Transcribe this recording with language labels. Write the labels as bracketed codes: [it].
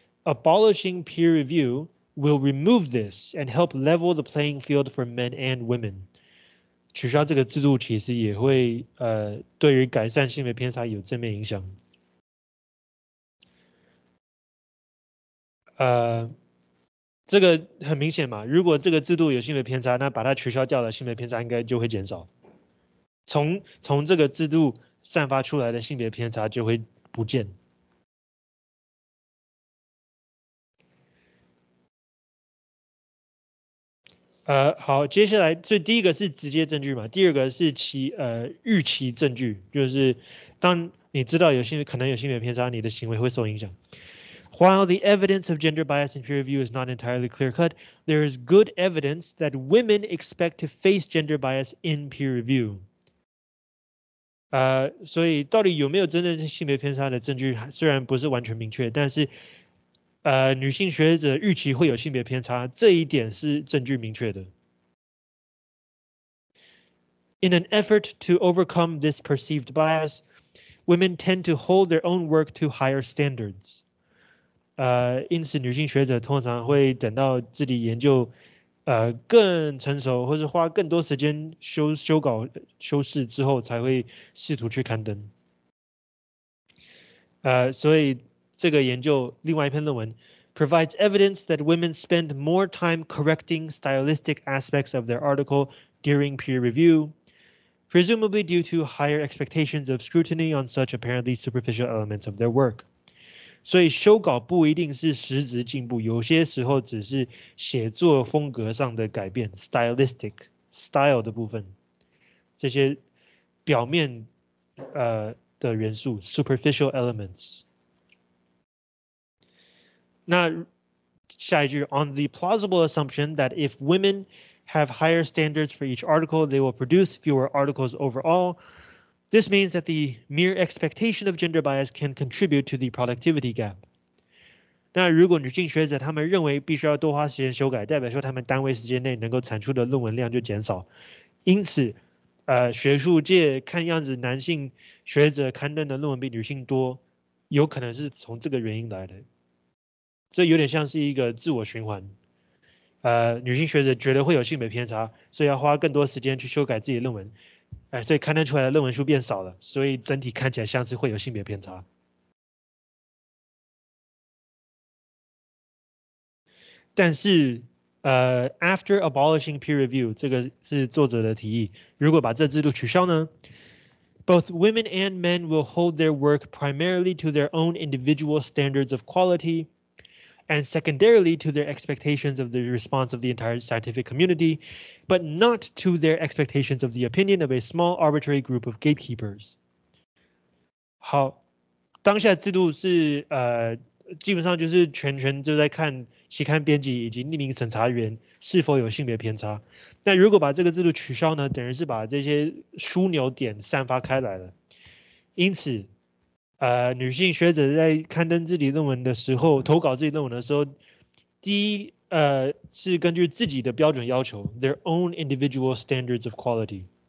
[en] Abolishing peer review will remove this and help level the playing field for men and women. [zh] 取消这个制度其实也会对于改善性别偏差有正面影响。这个很明显嘛，如果这个制度有性别偏差，那把它取消掉了，性别偏差应该就会减少。从这个制度散发出来的性别偏差就会不见。好，接下来，所以第一个是直接证据嘛，第二个是预期证据，就是当你知道可能有性别偏差，你的行为会受影响。 [en] While the evidence of gender bias in peer review is not entirely clear-cut, there is good evidence that women expect to face gender bias in peer review. [zh] 所以到底有没有真正性别偏差的证据，虽然不是完全明确，但是女性学者预期会有性别偏差，这一点是证据明确的。 [en] In an effort to overcome this perceived bias, women tend to hold their own work to higher standards. [zh] 因此女性学者通常会等到自己研究更成熟，或是花更多时间修稿、修饰之后，才会试图去刊登。所以这个研究另外一篇论文 [en] provides evidence that women spend more time correcting stylistic aspects of their article during peer review, presumably due to higher expectations of scrutiny on such apparently superficial elements of their work. [zh] 所以修稿不一定是实质进步，有些时候只是写作风格上的改变 ， [en] stylistic style [zh] 的部分，这些表面的元素 ， [en] superficial elements。 [zh] 那下一句 [en] ，on the plausible assumption that if women have higher standards for each article, they will produce fewer articles overall. This means that the mere expectation of gender bias can contribute to the productivity gap. [zh] 那如果女性学者他们认为必须要多花时间修改，代表说他们单位时间内能够产出的论文量就减少。因此，学术界看样子男性学者刊登的论文比女性多，有可能是从这个原因来的。这有点像是一个自我循环。女性学者觉得会有性别偏差，所以要花更多时间去修改自己的论文，所以刊登出来的论文数变少了，所以整体看起来像是会有性别偏差。但是， [en] after abolishing peer review, [zh] 这个是作者的提议，如果把这制度取消呢？ [en] Both women and men will hold their work primarily to their own individual standards of quality,and secondarily to their expectations of the response of the entire scientific community, but not to their expectations of the opinion of a small arbitrary group of gatekeepers. [zh] 好，当下制度是基本上就是全就在看期刊编辑以及匿名审查员是否有性别偏差。那如果把这个制度取消呢，等于是把这些枢纽点散发开来了。因此，女性学者在刊登自己论文的时候，投稿自己论文的时候，第一，是根据自己的标准要求 ， [en] their own individual standards of quality。